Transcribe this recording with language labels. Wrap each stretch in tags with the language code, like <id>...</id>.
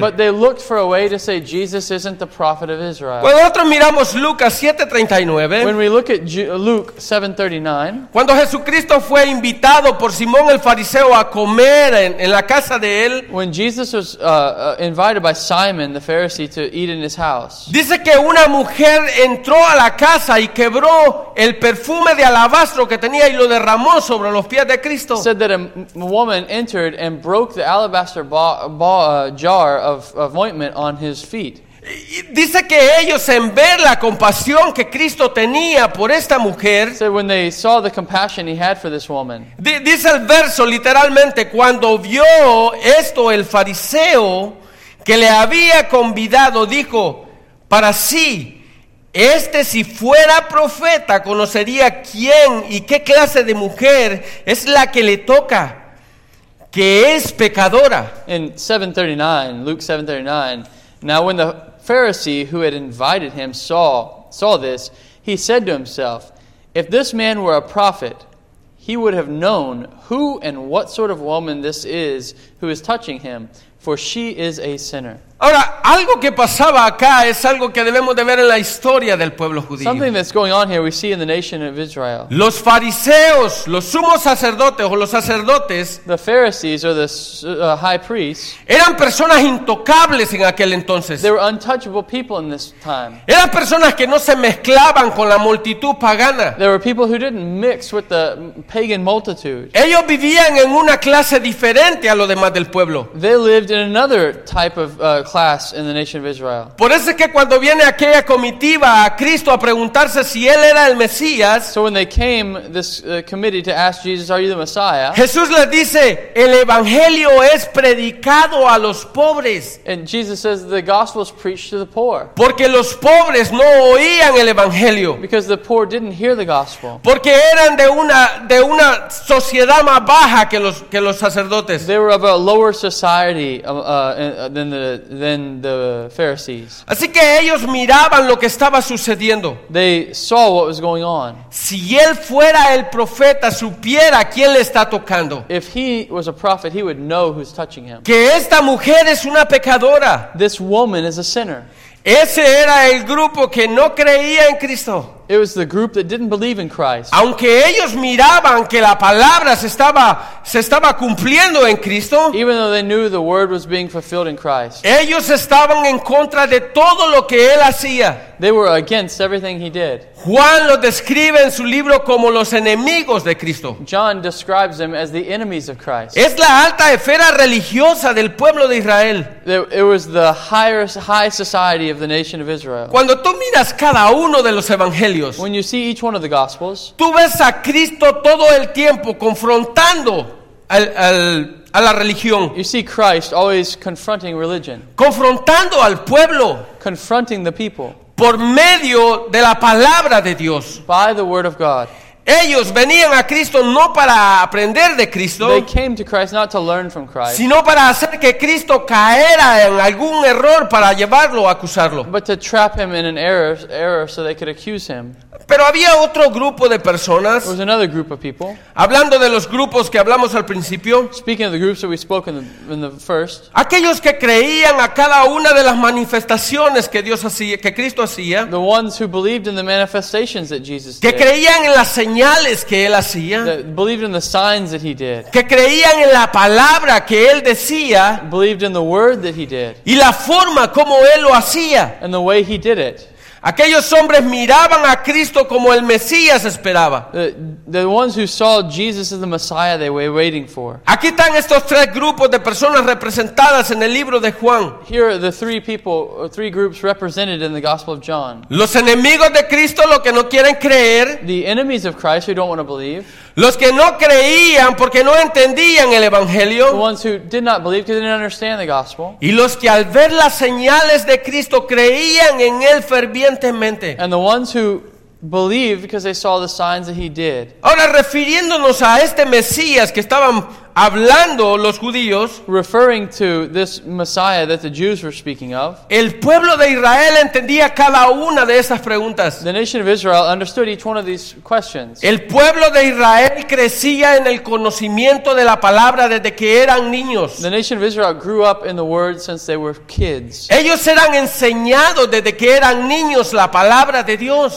<en>But they looked for a way to say Jesus isn't the prophet of Israel.</en> <es>Cuando nosotros miramos Lucas 7:39.</es> <en>When we look at Luke 7:39.</en> <es>Cuando Jesucristo fue invitado por Simón el fariseo a comer en la casa de él.</es> <en>When Jesus was invited by Simon the Pharisee to eat in his house.</en> <es>Dice que una mujer entró a la casa y quebró el perfume de alabastro que tenía y lo derramó sobre los pies de Cristo.</es> <en>Said that a woman entered and broke the alabaster jar of ointment on his feet.</en> <es>Dice que ellos en ver la compasión que Cristo tenía por esta mujer.</es> <en>So when they saw the compassion he had for this woman.</en> <es>Dice el verso literalmente cuando vio esto el fariseo que le había convidado, dijo, para sí, este si fuera profeta, conocería quién y qué clase de mujer es la que le toca, que es pecadora.</es> <en>In 7:39, Luke 7:39, now when the Pharisee who had invited him saw this, he said to himself, if this man were a prophet, he would have known who and what sort of woman this is who is touching him. For she is a sinner.</en> <es>Ahora, algo que pasaba acá es algo que debemos de ver en la historia del pueblo judío.</es> <en>Something that's going on here we see in the nation of Israel.</en> <es>Los fariseos, los sumos sacerdotes o los sacerdotes,</es> <en>the Pharisees or the high priests,</en> <es>eran personas intocables en aquel entonces.</es> <en>They were untouchable people in this time.</en> <es>Eran personas que no se mezclaban con la multitud pagana.</es> <en>They were people who didn't mix with the pagan multitude.</en> <es>Ellos vivían en una clase diferente a los demás del pueblo.</es> <en>They lived in another type of class in the nation of Israel.</en> <es>Por eso es que cuando viene aquella comitiva a Cristo a preguntarse si él era el Mesías,</es> <en>so when they came this committee to ask Jesus, are you the Messiah?</en> <es>Jesús les dice, el evangelio es predicado a los pobres.</es> <en>And Jesus says the gospel is preached to the poor.</en> <es>Porque los pobres no oían el evangelio.</es> <en>Because the poor didn't hear the gospel.</en> <es>Porque eran de una sociedad más baja que los sacerdotes.</es> <en>They were of a lower society than the than the Pharisees.</en> <es>Así que ellos miraban lo que estaba sucediendo.</es> <en>They saw what was going on.</en> <es>Si él fuera el profeta, supiera quién le está tocando.</es> <en>If he was a prophet, he would know who's touching him.</en> <es>Que esta mujer es una pecadora.</es> <en>This woman is a sinner.</en> <es>Ese era el grupo que no creía en Cristo.</es> <en>It was the group that didn't believe in Christ.</en> <es>Aunque ellos miraban que la palabra se estaba cumpliendo en Cristo,</es> <en>even though they knew the word was being fulfilled in Christ,</en> <es>ellos estaban en contra de todo lo que él hacía.</es> <en>They were against everything he did.</en> <es>Juan lo describe en su libro como los enemigos de Cristo.</es> <en>John describes them as the enemies of Christ.</en> <es>Es la alta esfera religiosa del pueblo de Israel.</es> <en>It was the high society of the nation of Israel.</en> <es>Cuando tú miras cada uno de los evangelios,</es> <en>when you see each one of the gospels,</en> <es>tú ves a Cristo todo el tiempo confrontando a la religión.</es> <en>You see Christ always confronting religion.</en> <es>Confrontando al pueblo.</es> <en>Confronting the people.</en> <es>Por medio de la palabra de Dios.</es> <en>By the word of God.</en> <es>Ellos venían a Cristo no para aprender de Cristo.</es> <en>They came to Christ not to learn from Christ.</en> <es>Sino para hacer que Cristo caera en algún error para llevarlo a acusarlo.</es> <en>But to trap him in an error so they could accuse him.</en> <es>Pero había otro grupo de personas.</es> <en>There was another group of people.</en> <es>Hablando de los grupos que hablamos al principio.</es> <en>Speaking of the groups that we spoke in the first.</en> <es>Aquellos que creían a cada una de las manifestaciones que Dios hacía, que Cristo hacía.</es> <en>The ones who believed in the manifestations that Jesus did.</en> <es>Que creían en las señales que él hacía.</es> <en>That believed in the signs that he did.</en> <es>Que creían en la palabra que él decía.</es> <en>Believed in the word that he did.</en> <es>Y la forma como él lo hacía.</es> <en>And the way he did it.</en> <es>Aquellos hombres miraban a Cristo como el Mesías esperaba.</es> <en>The ones who saw Jesus as the Messiah they were waiting for.</en> <es>Aquí están estos tres grupos de personas representadas en el libro de Juan.</es> <en>Here are the three groups represented in the Gospel of John.</en> <es>Los enemigos de Cristo, los que no quieren creer.</es> <en>The enemies of Christ who don't want to believe.</en> <es>Los que no creían porque no entendían el Evangelio.</es> <en>The ones who did not believe because they didn't understand the Gospel.</en> <es>Y los que al ver las señales de Cristo creían en él fervientemente.</es> <en>And the ones who believed because they saw the signs that he did.</en> <es>Ahora, refiriéndonos a este Mesías que estaban hablando los judíos,</es> <en>referring to this Messiah that the Jews were speaking of,</en> <es>el pueblo de Israel entendía cada una de esas preguntas.</es> <en>The nation of Israel understood each one of these questions.</en> <es>El pueblo de Israel crecía en el conocimiento de la palabra desde que eran niños.</es> <en>The nation of Israel grew up in the word since they were kids.</en> <es>Ellos eran enseñados desde que eran niños la palabra de Dios.</es>